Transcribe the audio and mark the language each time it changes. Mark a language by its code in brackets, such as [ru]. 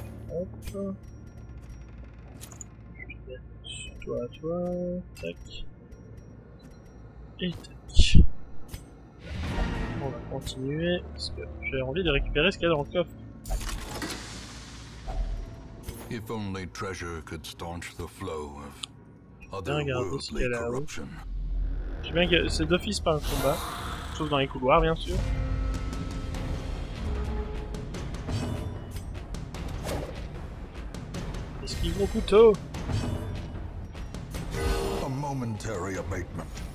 [fr] Hop. Je vais mettre toi à toi. Tac. Et tac. On va continuer, parce que j'ai envie de récupérer ce qu'il y a dans le coffre. [en] If only treasure could staunch the flow of otherworldly corruption. [fr] Je sais bien que c'est d'office pas un combat, sauf dans les couloirs bien sûr. Esquive mon couteau. [en] A momentary abatement.